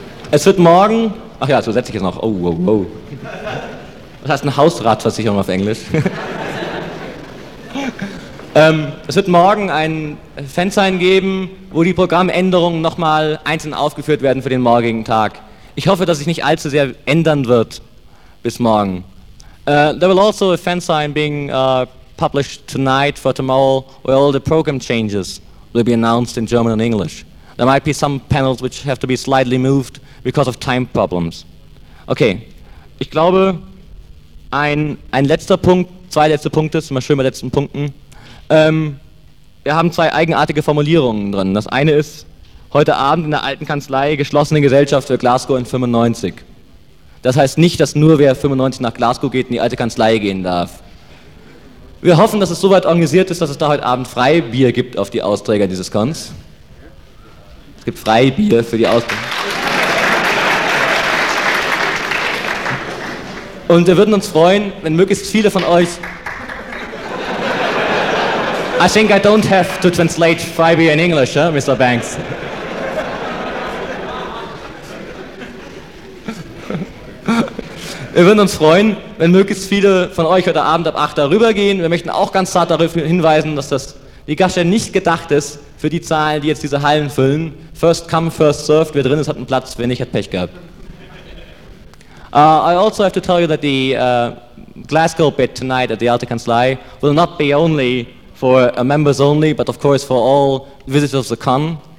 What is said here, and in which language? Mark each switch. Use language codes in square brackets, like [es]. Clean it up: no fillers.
[de] Es wird morgen. Ach ja, so setze ich es noch. Oh, wow, oh, wow. Oh. Das heißt eine Hausratversicherung auf Englisch. es wird morgen ein Fanzine geben, wo die Programmänderungen nochmal einzeln aufgeführt werden für den morgigen Tag. Ich hoffe, dass sich nicht allzu sehr ändern wird bis morgen. [en] There will also a Fanzine being published tonight for tomorrow, where all the program changes will be announced in German and English. There might be some panels which have to be slightly moved because of time problems. [de] Okay, ich glaube. Ein letzter Punkt, zwei letzte Punkte, sind wir schön bei letzten Punkten. Wir haben zwei eigenartige Formulierungen drin. Das eine ist, heute Abend in der alten Kanzlei geschlossene Gesellschaft für Glasgow in 95. Das heißt nicht, dass nur wer 95 nach Glasgow geht, in die alte Kanzlei gehen darf. Wir hoffen, dass es soweit organisiert ist, dass es da heute Abend Freibier gibt auf die Austräger dieses Cons. Es gibt Freibier für die Austräger. Und wir würden uns freuen, wenn möglichst viele von euch. [en] I think I don't have to translate Freibier in English, huh, Mr. Banks. [de] Wir würden uns freuen, wenn möglichst viele von euch heute Abend ab 8 darüber gehen. Wir möchten auch ganz zart darauf hinweisen, dass das die Gaststätte nicht gedacht ist für die Zahlen, die jetzt diese Hallen füllen. [en] First come, first served. [de] Wer drin ist, hat einen Platz. Wer nicht, hat Pech gehabt. [en] I also have to tell you that the Glasgow bit tonight at the Alte Kanzlei will not be only for members only, but of course for all visitors of the con.